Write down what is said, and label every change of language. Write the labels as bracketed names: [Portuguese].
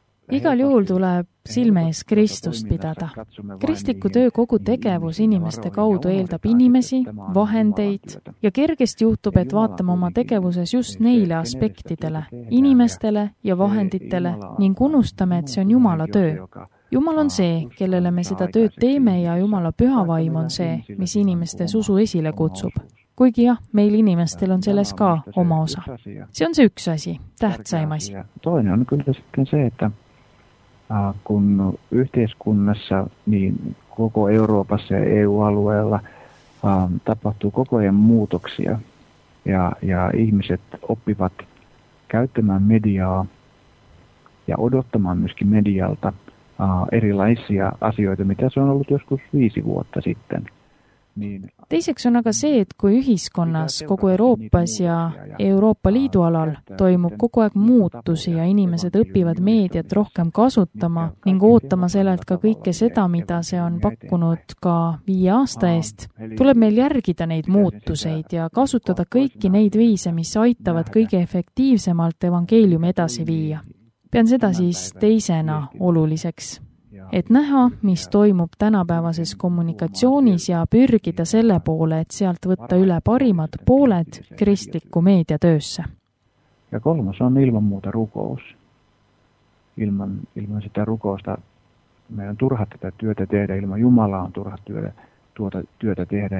[Estonian] Igal juhul tuleb silme ees Kristust pidada. Kristliku töö kogu tegevus inimeste kaudu eeldab inimesi, vahendeid ja kergest juhtub, et vaatame oma tegevuses just neile aspektidele, inimestele ja vahenditele ning unustame, et see on Jumala töö. Jumal on see, kellele me seda tööd teeme ja Jumala pühavaim on see, mis inimestes usu esile kutsub. Kuigi jah, meil inimestel on selles ka oma osa. See on see üks asi, tähtsaim asi. [Finnish] Toinen on kyllä sitten se, että kun yhteiskunnassa niin koko Euroopassa ja EU-alueella tapahtuu koko ajan muutoksia ja ihmiset oppivat käyttämään mediaa ja odottamaan myöskin medialta erilaisia asioita, mitä se on ollut joskus 5 vuotta sitten. [Estonian] Teiseks on aga see, et kui ühiskonnas kogu Euroopas ja Euroopa Liidu alal toimub kogu aeg muutusi ja inimesed õpivad meediat rohkem kasutama ning ootama sellelt ka kõike seda, mida see on pakkunud ka 5 aasta eest, tuleb meil järgida neid muutuseid ja kasutada kõiki neid viise, mis aitavad kõige efektiivsemalt evangeeliumi edasi viia. Pean seda siis teisena oluliseks. Et näha, mis toimub tänapäevases kommunikatsioonis ja pürgida selle poole, et sealt võtta üle parimad pooled kristliku meediatöösse. [Finnish] Ja kolmas on ilman muuta rukous. Ilman sitä rukousta meidän on turha tätä työtä tehdä, ilman Jumalaa on turha työtä tehdä.